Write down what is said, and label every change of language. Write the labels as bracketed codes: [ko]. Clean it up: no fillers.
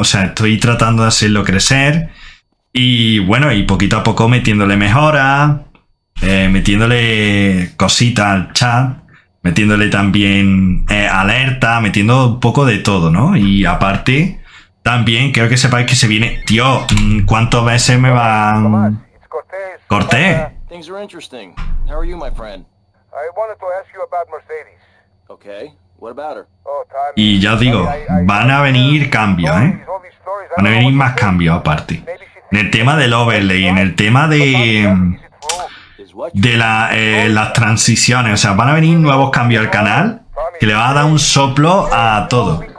[es] O sea, estoy tratando de hacerlo crecer. Y bueno, y poquito a poco metiéndole mejoras. Metiéndole cositas al chat. Metiéndole también alerta, metiendo un poco de todo, ¿no? Y aparte, también creo que sepáis que se viene... Tío, ¿cuántas veces me van...? ¡Cortés! [en] Things are interesting. How are you, my friend? I wanted to ask you about Mercedes. Okay. What about her? [es] Y ya os digo, van a venir cambios, ¿eh? Van a venir más cambios, aparte. En el tema del overlay, en el tema de... de la, las transiciones. O sea, van a venir nuevos cambios al canal que le va a dar un soplo a todo.